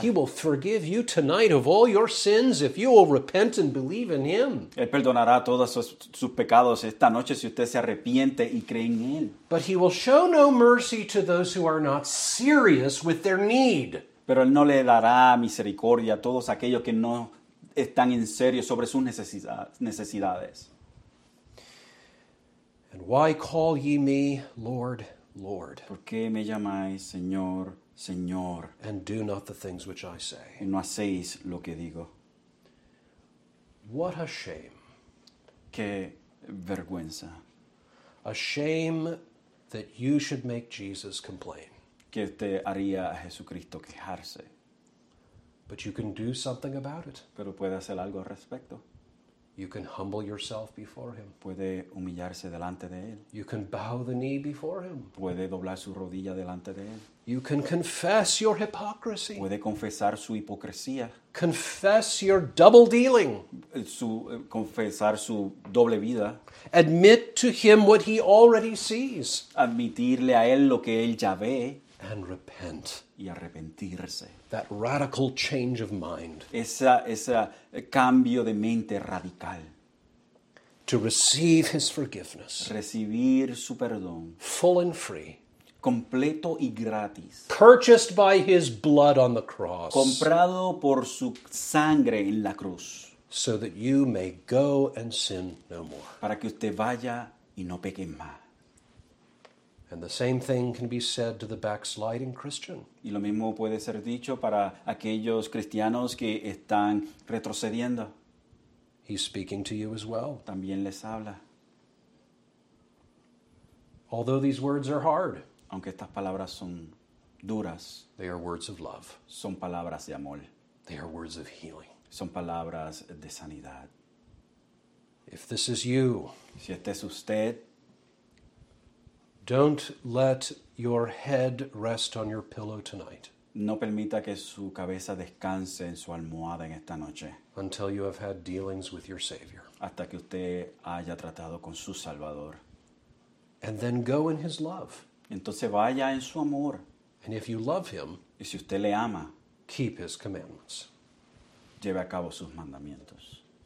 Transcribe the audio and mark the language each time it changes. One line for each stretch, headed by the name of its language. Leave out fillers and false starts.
English: He will forgive you tonight of all your sins if you will repent and believe in him.
Spanish: Él perdonará todos sus pecados esta noche si usted se arrepiente y cree en él.
English: But he will show no mercy to those who are not serious with their need.
Spanish: Pero él no le dará misericordia a todos aquellos que no están en serio sobre sus necesidades.
English: And why call ye me, Lord? Lord,
Spanish: ¿por qué me llamáis Señor, Señor?
English: And do not the things which I say.
Spanish: Y no hacéis lo que digo.
English: What a shame.
Spanish: Qué vergüenza.
English: A shame that you should make Jesus complain.
Spanish: Que te haría a Jesucristo quejarse.
English: But you can do something about it.
Spanish: Pero puede hacer algo al respecto.
English: You can humble yourself before him.
Spanish: Puede humillarse delante de él.
English: You can bow the knee before him.
Spanish: Puede doblar su rodilla delante de él.
English: You can confess your hypocrisy.
Spanish: Puede confesar su hipocresía.
English: Confess your double dealing.
Spanish: Confesar su doble vida.
English: Admit to him what he already sees.
Spanish: Admitirle a él lo que él ya ve.
English: And repent.
Spanish: Y arrepentirse.
English: That radical change of mind.
Spanish: Ese cambio de mente radical.
English: To receive his forgiveness.
Spanish: Recibir su perdón.
English: Full and free.
Spanish: Completo y gratis.
English: Purchased by his blood on the cross.
Spanish: Comprado por su sangre en la cruz.
English: So that you may go and sin no more.
Spanish: Para que usted vaya y no peque más.
English: And the same thing can be said to the backsliding Christian.
Spanish: Y lo mismo puede ser dicho para aquellos cristianos que están retrocediendo.
English: He's speaking to you as well.
Spanish: También les habla.
English: Although these words are hard.
Spanish: Aunque estas palabras son duras.
English: They are words of love.
Spanish: Son palabras de amor.
English: They are words of healing.
Spanish: Son palabras de sanidad.
English: If this is you.
Spanish: Si este es usted.
English: Don't let your head rest on your pillow tonight.
Spanish: No permita que su cabeza descanse en su almohada en esta noche.
English: Until you have had dealings with your Savior.
Spanish: Hasta que usted haya tratado con su Salvador.
English: And then go in his love.
Spanish: Entonces vaya en su amor.
English: And if you love him,
Spanish: y si usted le ama,
English: keep his commandments.
Spanish: Lleve a cabo sus mandamientos.